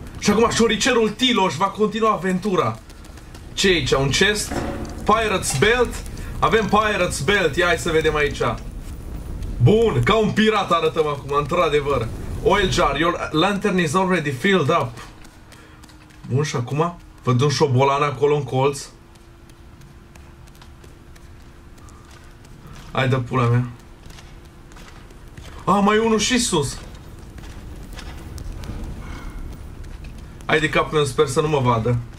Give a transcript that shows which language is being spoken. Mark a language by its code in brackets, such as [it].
[ro] Și acum șoricerul Tiloș va continua aventura. Ce e aici? Un chest? Pirate's belt? Avem pirate's belt. Ia, hai să vedem aici. Bun, ca un pirat arătăm acum, într-adevăr. [en] Oil jar, your lantern is already filled up. [ro] Bun, și acum văd un șobolan acolo în colț. Hai de pula mea. Ah, mai unul și sus. Hai de cap, eu sper să nu mă vadă.